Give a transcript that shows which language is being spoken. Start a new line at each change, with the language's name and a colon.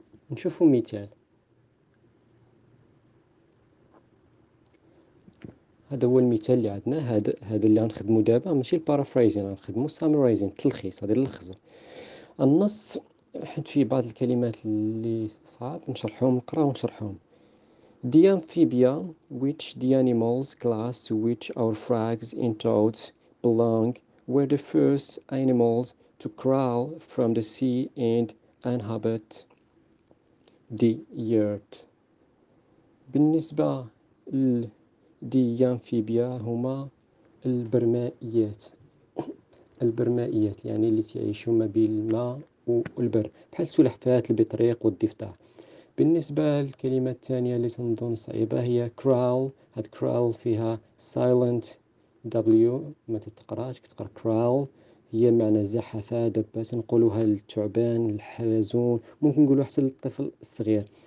Arabic: نشوفو مثال، هذا هو المثال اللي عندنا، هذا اللي غنخدمو دابا، ماشي البارافرايزين، غنخدمو سامرايزين، تلخيص، هذا اللي نلخصو النص حيت فيه بعض الكلمات اللي صعب نشرحهم، نقراو ونشرحهم.
English: دي amphibia which the animals class which our frogs and toads belong were the first animals to crawl from the sea and inhabit the earth.
Arabic: بالنسبة دي يامفيبيا هما البرمائيات، البرمائيات يعني اللي تعيشوا ما بين الماء والبر، بحال السلحفاة البطريق والضفدع. بالنسبة للكلمة الثانية اللي تنظن صعيبة هي كرال، هاد كرال فيها سايلنت دبليو ما تتقراش، كتقرا كرال، هي معنى زحفة، دبة، تنقولوها للثعبان الحلزون، ممكن نقولوا حتى للطفل الصغير.